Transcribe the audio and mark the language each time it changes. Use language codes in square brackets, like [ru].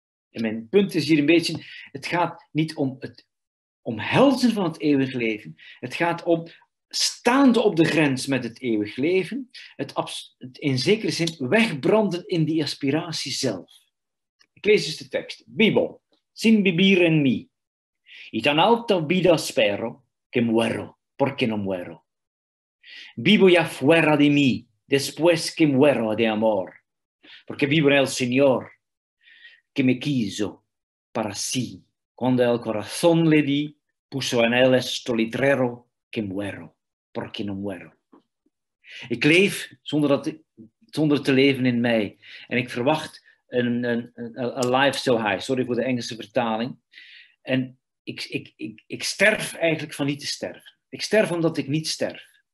[nl] En mijn punt is hier een beetje, het gaat niet om het omhelzen van het eeuwig leven, het gaat om staande op de grens met het eeuwig leven, het in zekere zin wegbranden in die aspiratie zelf. Ik lees dus de tekst. [es] Vivo, sin vivir en mi. Y tan alta vida espero, que muero, porque no muero. Vivo ya fuera de mi, después que muero de amor. Porque vivo en el Señor, que me quiso para sí. Cuando el corazón le di, puso en él esto litrero, que muero, porque no muero. [nl] Ik leef zonder te leven in mij. En ik verwacht [en] a life so high, [nl] sorry voor de Engelse vertaling. En ik sterf eigenlijk van niet te sterven. Ik sterf omdat ik niet sterf.